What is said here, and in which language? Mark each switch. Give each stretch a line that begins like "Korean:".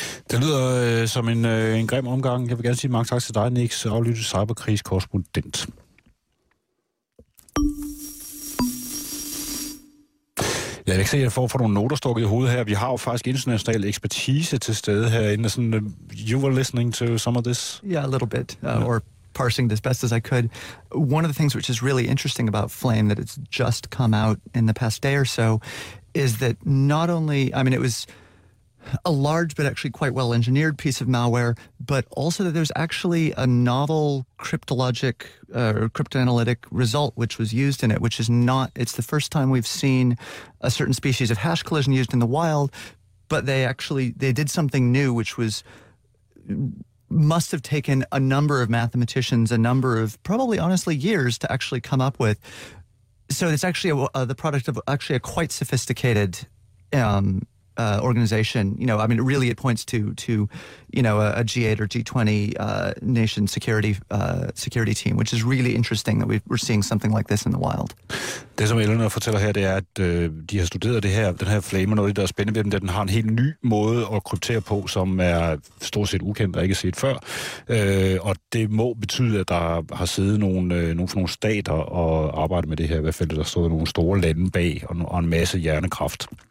Danish: Det lyder som en grim omgang. Jeg vil gerne sige mange tak til dig, Nix, aflyttet cyberkrigskorrespondent. Ja, jeg kan se, at jeg får nogle noter stukket i hovedet her. Vi har jo faktisk international ekspertise til stede herinde.
English: Sådan, you were listening to some of this? Yeah, a little bit. Or parsing this best as I could. One of the things which is really interesting about Flame that it's just come out in the past day or so is that not only, I mean, it was a large but actually quite well-engineered piece of malware, but also that there's actually a novel cryptologic or cryptoanalytic result which was used in it, which is not, it's the first time we've seen a certain species of hash collision used in the wild, but they did something new, which was, must have taken a number of mathematicians, a number of probably honestly years to actually come up with. So it's actually the product of actually a quite sophisticated organization. You know, I mean, really, it points to you know, a G8 or G20 nation security team, which is really interesting that we're seeing something like this in the wild.
Danish: Det som Elena fortæller her, det er, at de har studeret det her, den her Flame, og noget der er spændende ved den, at den har en helt ny måde at kryptere på, som er stort set ukendt og ikke set før. Og det må betyde, at der har siddet nogle stater og arbejdet med det her. I hvert fald der stod nogle store lande bag og en masse hjernekraft.